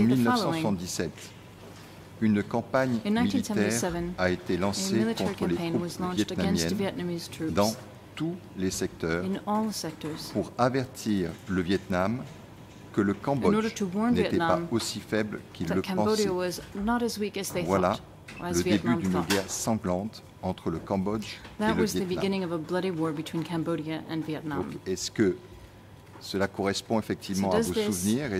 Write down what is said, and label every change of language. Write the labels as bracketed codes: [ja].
[fr] 1977, une campagne militaire a été lancée contre les troupes vietnamiennes dans tous les secteurs pour avertir le Vietnam que le Cambodge n'était pas aussi faible qu'il le pensait. Voilà le début d'une guerre sanglante entre le Cambodge [en] that [fr] et le [en] was [fr] Vietnam. [en] The beginning of a bloody war between Cambodia and Vietnam. [fr] Donc, est-ce que cela correspond effectivement à vos souvenirs?